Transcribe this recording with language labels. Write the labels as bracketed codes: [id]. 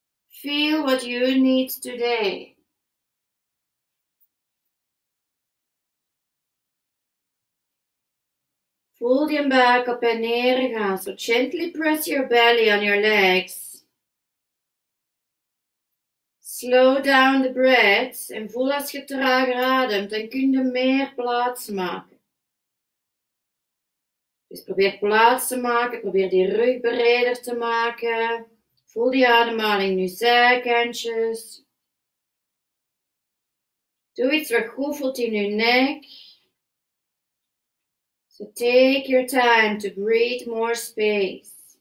[en] Feel what you need today. Pull the back up and [nl] neer gaan. [en] So gently press your belly on your legs. Slow down the breath [nl] en voel als je trager ademt, dan kun je meer plaats maken. Dus probeer plaats te maken, probeer die rug breder te maken. Voel die ademhaling in je zijkantjes. Doe iets wat goed voelt in je nek. [en] So take your time to breathe more space.